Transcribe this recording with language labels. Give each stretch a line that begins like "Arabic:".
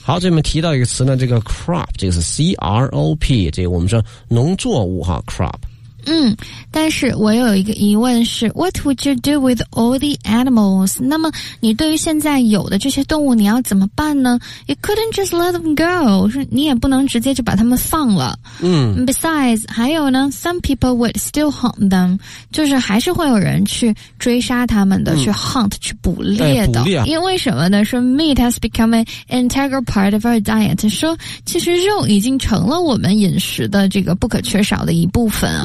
Chinese: 好，这边提到一个词呢，这个 crop, 这个是 C-R-O-P, 这个我们说农作物哈 ,crop。
English: 嗯，
Chinese: 但是我有一个疑问是
English: What would you do with all the animals?
Chinese: 那么你对于现在有的这些动物你要怎么办呢？
English: You couldn't just let them go.
Chinese: 你也不能直接就把它们放了。嗯。
English: Besides,
Chinese: 还有呢
English: Some people would still hunt them.
Chinese: 就是还是会有人去追杀他们的、嗯、去 hunt, 去捕猎的。哎、捕猎、啊。因为什么呢？
English: 说 meat has become an integral part of our diet.
Chinese: 说其实肉已经成了我们饮食的这个不可缺少的一部分、啊。